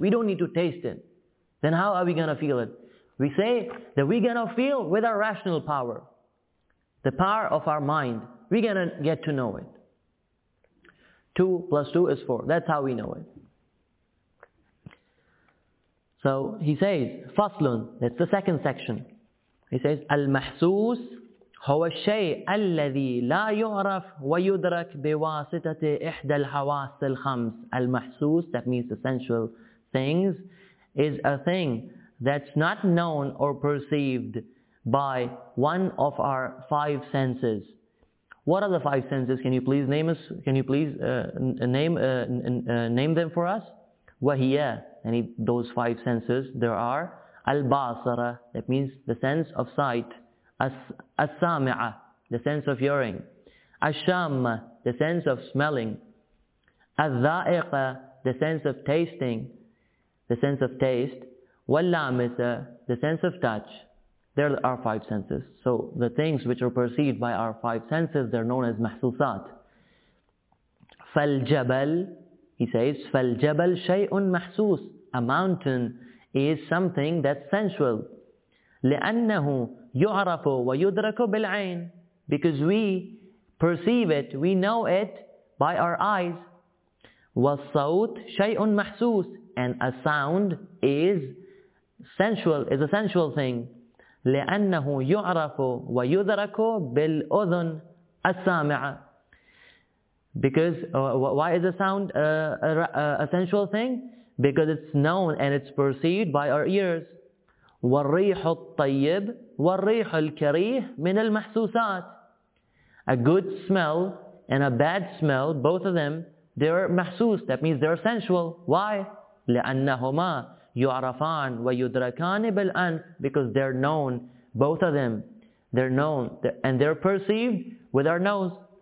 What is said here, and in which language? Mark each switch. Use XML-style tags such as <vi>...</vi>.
<en>We don't need to taste it. Then how are we gonna feel it? We say that we're gonna feel with our rational power. The power of our mind. We're gonna get to know it. 2 plus 2 is 4. That's how we know it. So he says, فصلٌ, that's the second section. He says,</en> <ar>المحسوس هو الشيء الذي لا يعرف ويدرك بواسطة إحدى الحواس الخمس.</ar> <en>المحسوس, that means the sensual things, is a thing that's not known or perceived by one of our five senses. What are the five senses? Can you please name us? Can you please name them for us? وَهِيَ, any those five senses, there are البصرة, that means the sense of sight, السامعة, the sense of hearing, الشم, the sense of smelling, الذائقة, the sense of tasting, the sense of taste, واللامسة, the sense of touch. There are five senses. So the things which are perceived by our five senses, they're known as محسوسات.</en> <ar>فالجبل,</ar> <en>he says,</en> <ar>فالجبل شيء محسوس.</ar> <en>A mountain is something that's sensual.</en> <ar>لأنه يعرف ويدرك بالعين.</ar> <en>Because we perceive it, we know it by our eyes.</en> <ar>والصوت شيء محسوس.</ar> <en>And a sound is sensual, is a sensual thing.</en> <ar>لأنه يعرف ويدرك بالأذن السامعة.</ar> <en>Because why is a sound a sensual thing? Because it's known and it's perceived by our ears.</en> <ar>والريح الطيب والريح الكريه من المحسوسات.</ar> <en>A good smell and a bad smell, both of them, they're محسوس. That means they're sensual. Why?</en> <ar>لِأَنَّهُمَا يُعْرَفَانِ وَيُدْرَكَانِ بِالْأَنْفِ,</ar> <en>because they're known, both of them, they're known, and they're perceived with our nose.</en>